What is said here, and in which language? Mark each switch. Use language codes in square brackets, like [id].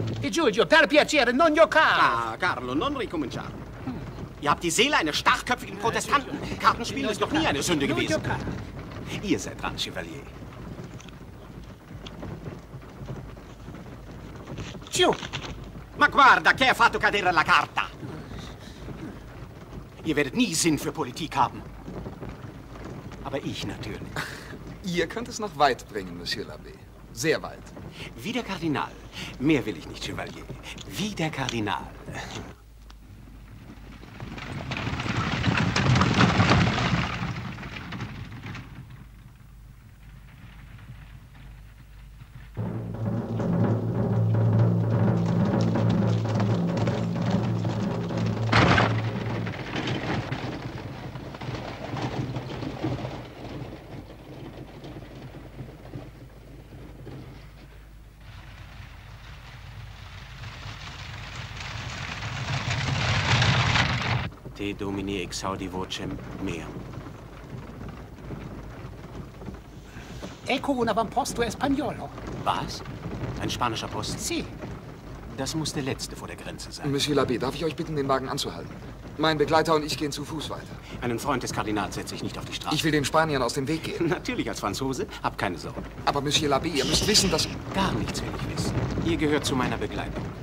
[it] Giulio, per piacere, non giocare! Ah, Carlo, non ricominciare. [de] Ihr habt die Seele eines starkköpfigen Protestanten. Kartenspielen ist noch nie eine Sünde gewesen. Ihr seid dran, Chevalier. [it] Giù! Ma guarda, che ha fatto cadere la carta! [de] Ihr werdet nie Sinn für Politik haben. Aber ich natürlich. Ihr könnt es noch weit bringen, Monsieur Labbé. Sehr weit. Wie der Kardinal. Mehr will ich nicht, Chevalier. Wie der Kardinal. [la] Domine exaudi vocem meam. [it] Ecco un avamposto espagnolo. [de] Was? Ein spanischer Posten? [it] Si. [de] Das muss der letzte vor der Grenze sein. Monsieur Labbé, darf ich euch bitten, den Wagen anzuhalten? Mein Begleiter und ich gehen zu Fuß weiter. Einen Freund des Kardinals setze ich nicht auf die Straße. Ich will den Spaniern aus dem Weg gehen. Natürlich, als Franzose. Hab keine Sorge. Aber Monsieur Labbé, ihr müsst wissen, dass... Gar nichts will ich wissen. Ihr gehört zu meiner Begleitung.